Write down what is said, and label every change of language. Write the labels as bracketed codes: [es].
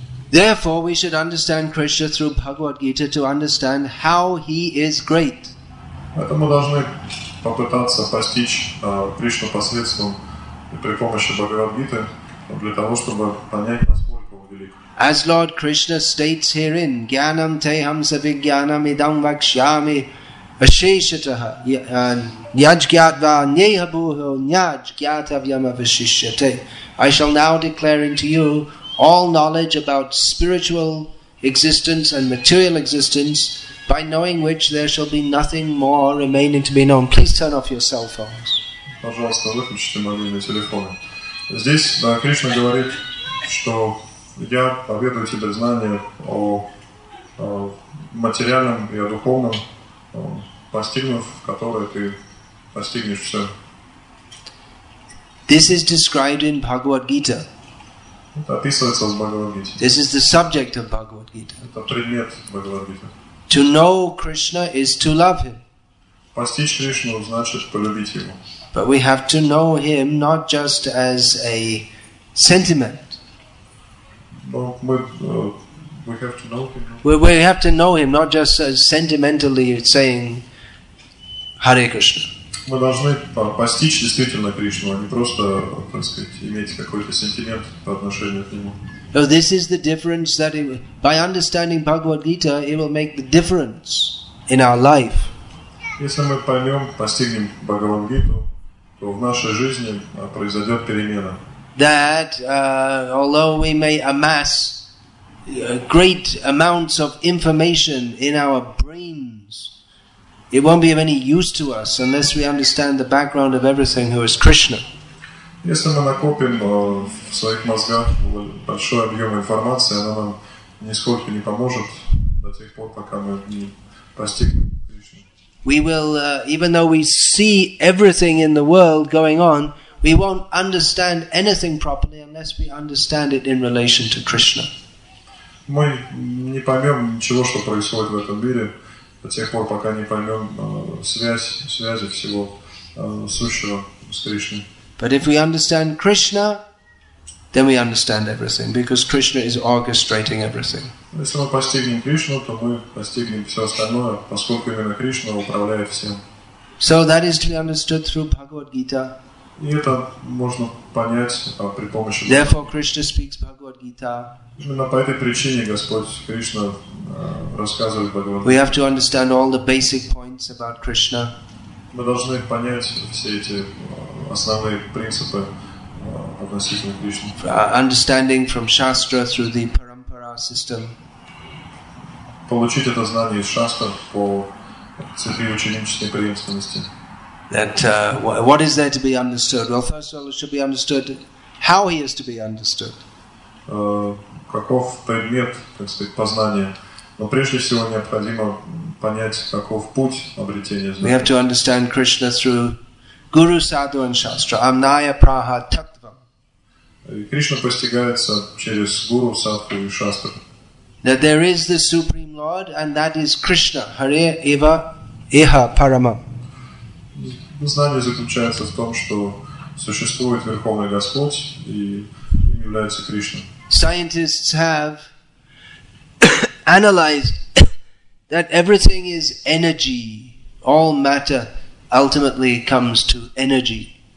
[en] Therefore, we should understand Krishna through Bhagavad Gita to understand how He is great. [ru] Поэтому мы должны попытаться постичь Кришну посредством и при помощи Бхагавад-гиты для того, чтобы понять, насколько Он велик. [en] As Lord Krishna states herein, [sa] Gyanam teham savigyanam idam vakshyami asheshataha nyajgyatva nyehabuho nyajgyatavyam avashishyate. [en] I shall now declare into you all knowledge about spiritual existence and material existence, by knowing which there shall be nothing more remaining to be known. Please turn off your cell phones. [ru] Пожалуйста, выключите мобильные телефоны. Здесь Кришна говорит, что я поведаю тебе знания о материальном и о духовном, постигнув которое ты постигнешь все. [en] This is described in Bhagavad Gita. [ru] Это описывается в Бхагавад Гите. [en] This is the subject of Bhagavad Gita. [ru] Это предмет Бхагавад Гиты. [en] To know Krishna is to love Him. [ru] Постичь Кришну значит полюбить Его. [en] But we have to know Him not just as a sentiment. We have to know Him not just as sentimentally saying Hare Krishna. [ru] Мы должны постичь действительно Кришну, а не просто, так сказать, иметь какой-то сентимент по отношению к Нему. [en] So this is the difference that by understanding Bhagavad Gita, it will make the difference in our life. [ru] Если мы поймем, постигнем Бхагавад Гиту, то в нашей жизни произойдет перемена. [en] That although we may amass great amounts of information in our brains, it won't be of any use to us unless we understand the background of everything, who is Krishna. [ru] Если мы накопим в своих мозгах большой объем информации, она нам нисколько не поможет до тех пор, пока мы не постигнем Кришну. [en] We will, even though we see everything in the world going on, we won't understand anything properly unless we understand it in relation to Krishna. [ru] Мы не поймем ничего, что происходит в этом мире, до тех пор, пока не поймем связи всего сущего с Кришной. [en] But if we understand Krishna, then we understand everything, because Krishna is orchestrating everything. [ru] Если мы постигнем Кришну, то мы постигнем все остальное, поскольку именно Кришна управляет всем. [en] So that is to be understood through Bhagavad Gita. [ru] И это можно понять при помощи. [en] Therefore, Krishna speaks Bhagavad Gita. [ru] Именно по этой причине Господь Кришна рассказывает Бхагавад Гиту. [en] We have to understand all the basic points about Krishna. [ru] Мы должны понять все эти основные принципы относительно Кришны. [en] Understanding from Shastra through the Parampara system. [ru] Получить это знание из Шастр по цепи ученической преемственности. [en] That what is there to be understood? Well, first of all, it should be understood how he is to be understood. [ru] Каков предмет, так сказать, познания? Но прежде всего необходимо понять, каков путь обретения знания. [en] We have to understand Krishna through Guru Sadhu and Shastra. [sa] Amnaya Praha Tattvam. [ru] Кришна постигается через Гуру, Садху и Шастру. [en] That there is the Supreme Lord, and that is Krishna. [sa] Hare Eva Eha Paramam. [ru] Знание заключается в том, что существует Верховный Господь, и им является Кришна. [en] Scientists have analyzed that everything is energy. All matter ultimately comes to energy.